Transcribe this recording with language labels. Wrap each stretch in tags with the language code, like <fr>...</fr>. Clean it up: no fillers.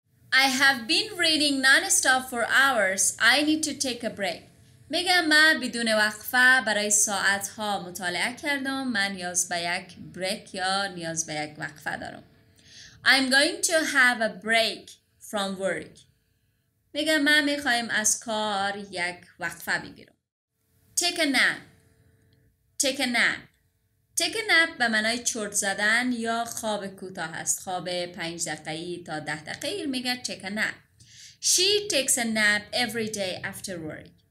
<en>I have been reading non-stop for hours. I need to take a break.</en> <fa>میگم من بدون وقفه برای ساعتها مطالعه کردم. من نیاز به یک بریک یا نیاز به یک وقفه دارم.</fa> <en>I'm going to have a break from work.</en> <fa>میگم من میخواهم از کار یک وقفه بگیرم.</fa> <en>Take a nap. Take a nap. Take a nap</en> <fa>به معنای چرت زدن یا خواب کوتاه است. خواب 5 دقیقه‌ای تا 10 دقیقه‌ای میگه</fa> <en>take a nap. She takes a nap every day after work.</en>